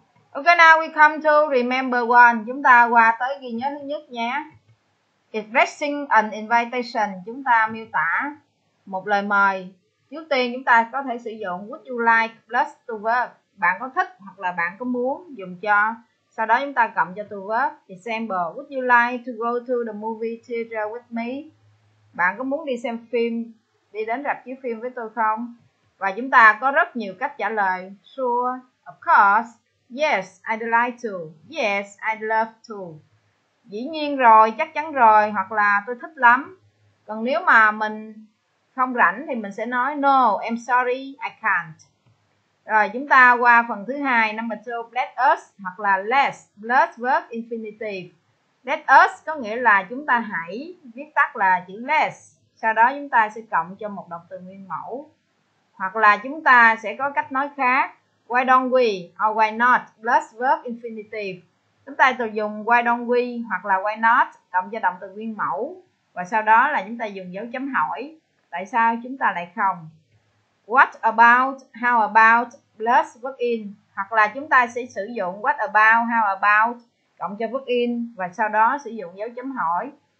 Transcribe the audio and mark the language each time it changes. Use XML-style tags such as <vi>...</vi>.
<en>Ok now we come to remember one.</en> <vi>Chúng ta qua tới ghi nhớ thứ nhất nhé.</vi> <en>Expressing an invitation,</en> <vi>chúng ta miêu tả một lời mời. Trước tiên chúng ta có thể sử dụng</vi> <en>would you like plus to verb.</en> <vi>Bạn có thích hoặc là bạn có muốn dùng cho. Sau đó chúng ta cộng cho to verb.</vi> <en>Example, would you like to go to the movie theater with me?</en> <vi>Bạn có muốn đi xem phim, đi đến rạp chiếu phim với tôi không? Và chúng ta có rất nhiều cách trả lời.</vi> <en>Sure, of course. Yes, I'd like to. Yes, I'd love to.</en> <vi>Dĩ nhiên rồi, chắc chắn rồi, hoặc là tôi thích lắm. Còn nếu mà mình không rảnh thì mình sẽ nói</vi> <en>no, I'm sorry, I can't.</en> <vi>Rồi, chúng ta qua phần thứ hai,</vi> <en>number 2, let us,</en> <vi>hoặc là let's, let's verb infinitive. Let us có nghĩa là chúng ta hãy, viết tắt là chữ let's. Sau đó chúng ta sẽ cộng cho một động từ nguyên mẫu. Hoặc là chúng ta sẽ có cách nói khác.</vi> <en>Why don't we or why not plus verb infinitive.</en> <vi>Chúng ta dùng</vi> <en>why don't we</en> <vi>hoặc là why not cộng cho động từ nguyên mẫu và sau đó là chúng ta dùng dấu chấm hỏi. Tại sao chúng ta lại không?</vi> <en>What about, how about plus verb in</en> <vi>hoặc là chúng ta sẽ sử dụng what about, how about cộng cho verb in và sau đó sử dụng dấu chấm hỏi.</vi>